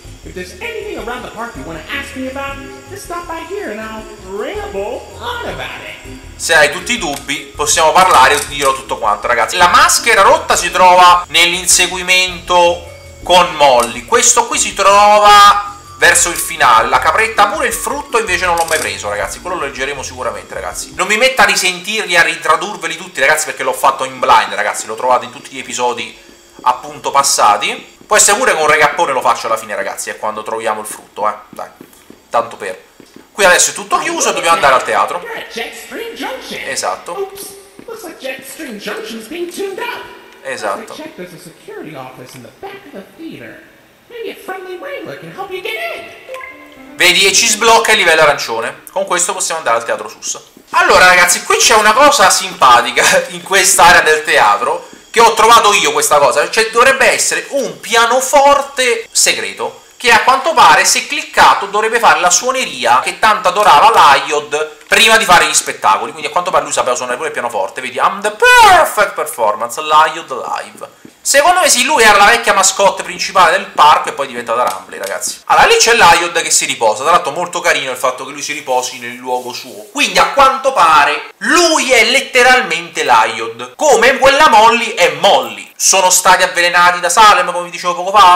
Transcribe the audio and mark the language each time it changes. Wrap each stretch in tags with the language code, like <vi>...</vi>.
<en>If there's anything around the park you want to ask me about, just stop by here and I'll ramble on about it.</en> <it>Se hai tutti i dubbi, possiamo parlare e ti dirò tutto quanto, ragazzi. La maschera rotta si trova nell'inseguimento con Molly. Questo qui si trova verso il finale. La capretta pure, il frutto invece non l'ho mai preso, ragazzi. Quello lo leggeremo sicuramente, ragazzi. Non mi metta a risentirli, a ritradurveli tutti, ragazzi, perché l'ho fatto in blind, ragazzi. L'ho trovato in tutti gli episodi, appunto, passati. Può essere pure che un recappone lo faccio alla fine, ragazzi, è quando troviamo il frutto, dai. Tanto per. Qui adesso è tutto chiuso e dobbiamo andare al teatro. Esatto.</it> <en>Oops. Looks like Jetstream Junction's being tuned up.</en> <it>Esatto.</it> <en>Check, there's a security office in the back of the theater. Maybe a friendly wrangler can help you get in.</en> <it>Vedi, e ci sblocca il livello arancione. Con questo possiamo andare al teatro Sus. Allora, ragazzi, qui c'è una cosa simpatica in quest'area del teatro che ho trovato io, questa cosa. Cioè, dovrebbe essere un pianoforte segreto che, a quanto pare, se cliccato, dovrebbe fare la suoneria che tanto adorava Lyod prima di fare gli spettacoli. Quindi, a quanto pare, lui sapeva suonare pure il pianoforte. Vedi,</it> <en>I'm the perfect performance, Lyod live.</en> <it>Secondo me sì, lui era la vecchia mascotte principale del parco e poi è diventata Rumble, ragazzi. Allora, lì c'è Lyod che si riposa. Tra l'altro, molto carino il fatto che lui si riposi nel luogo suo. Quindi, a quanto pare, lui è letteralmente Lyod. Come quella Molly è Molly. Sono stati avvelenati da Salem, come vi dicevo poco fa.</it>